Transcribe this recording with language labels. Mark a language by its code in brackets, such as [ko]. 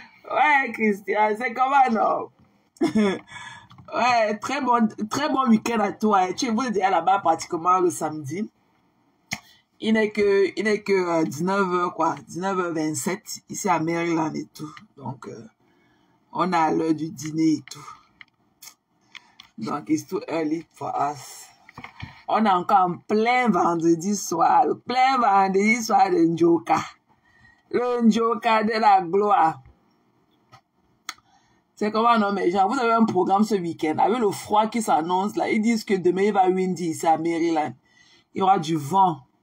[fr] Ouais, Christian, c'est comment, non? Ouais, très bon week-end à toi. Tu es venu là-bas pratiquement le samedi. Il n'est que 19h, quoi. 19h27, ici à Maryland et tout. Donc, on a l'heure du dîner et tout. [en] Donc, it's too early for us. [fr] On est encore en plein vendredi soir. Le plein vendredi soir de Njoka. Le Njoka de la gloire. C'est comment, non, mes gens, vous avez un programme ce week-end, avec le froid qui s'annonce, là, ils disent que demain, il va windy, c'est à Maryland. Il y aura du vent.